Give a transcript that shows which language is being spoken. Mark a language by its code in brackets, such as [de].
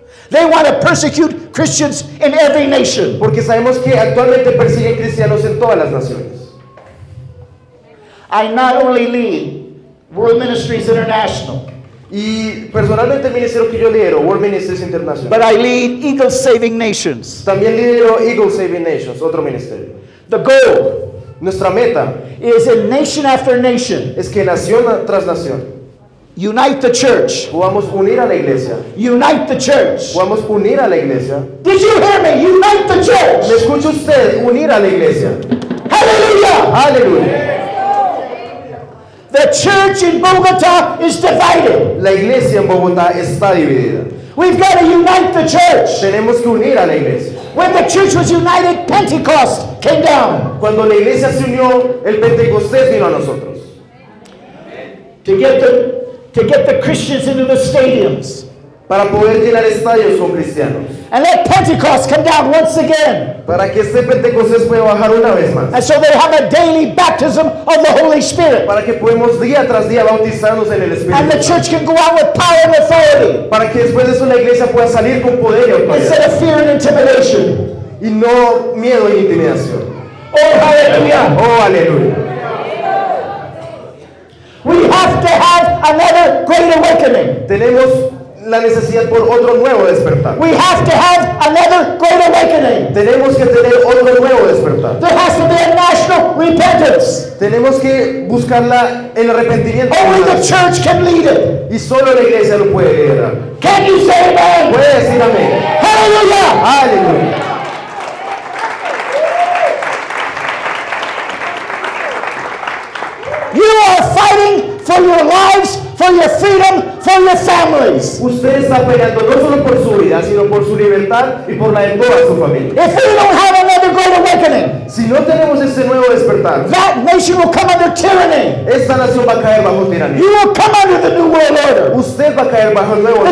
[en] They want to persecute Christians in every nation. [es] Porque sabemos que actualmente persiguen cristianos en todas las naciones. [en] I not only lead World Ministries International. [es] Y personalmente el ministerio que yo lidero, World Ministries International. [en] But I lead Eagle Saving Nations. [es] También lidero Eagle Saving Nations, otro ministerio. [en] The goal, [es] nuestra meta, [en] is in nation after nation. [es] Es que nación tras nación. [en] Unite the church. [es] Vamos a unir a la iglesia. [en] Unite the church. [es] Vamos a unir a la iglesia. [en] Did you hear me? Unite the church. [es] ¿Me escucha usted? Unir a la iglesia. Hallelujah. Hallelujah. [en] The church in Bogota is divided. [es] La iglesia en Bogotá está dividida. [en] We've got to unite the church. [es] Tenemos que unir a la iglesia. [en] When the church was united, Pentecost came down. [es] Cuando la iglesia se unió, el Pentecostés vino a nosotros. [en] To get the Christians into the stadiums. [es] Para poder llenar estadios con cristianos. [en] And let Pentecost come down once again. [es] Para que este Pentecostés pueda bajar una vez más. [en] And so they have a daily baptism of the Holy Spirit. [es] Para que podamos día tras día bautizarnos en el Espíritu. [en] And the church can go out with power and authority. [es] Para que después de eso la iglesia pueda salir con poder y autoridad. [en] Instead of fear and intimidation. [es] Y no miedo e intimidación. [en] Oh, hallelujah. [es] Oh, aleluya. [en] We have to have another great awakening. [es] Tenemos la necesidad por otro nuevo despertar. [en] We have to have another great awakening. [es] Tenemos que tener otro nuevo despertar. [en] There has to be a national repentance. [es] Tenemos que buscar el arrepentimiento. [en] Only the church can lead it. [es] Y solo la iglesia lo puede liderar. [en] Can you say amen? [es] ¿Puede decir amén? Hallelujah. Hallelujah. [en] You are fighting for your lives, for your freedom, for your families. [es] Usted está peleando no solo por su vida, sino por su libertad y por la de toda su familia. [en] If we don't have another great awakening, [es] si no tenemos ese nuevo despertar, [en] that nation will come under tyranny. [es] Esta nación va a caer bajo tiranía. [en] You will come under the new world order. [es] Usted va a caer bajo el nuevo orden.